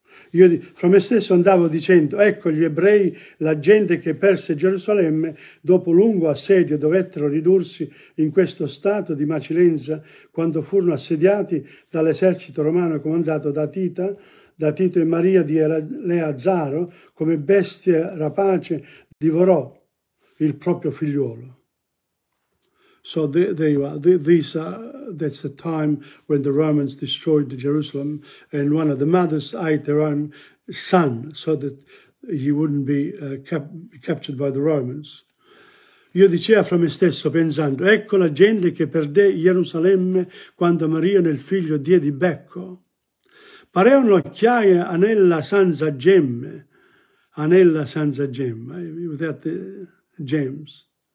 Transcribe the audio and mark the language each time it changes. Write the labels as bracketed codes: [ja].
[it] Io fra me stesso andavo dicendo, ecco gli ebrei, la gente che perse Gerusalemme, dopo lungo assedio dovettero ridursi in questo stato di macilenza quando furono assediati dall'esercito romano comandato da Tita, da Tito e Maria di Eleazaro, come bestia rapace divorò il proprio figliuolo. [en] So there you are. These are, that's the time when the Romans destroyed Jerusalem, and one of the mothers ate her own son so that he wouldn't be captured by the Romans. [it] Io dicea fra me stesso pensando, ecco la gente che perdé Gerusalemme quando Maria nel figlio die di becco. Parea un'occhiaia anella senza gemme, anella senza gemme, [en] without the gems.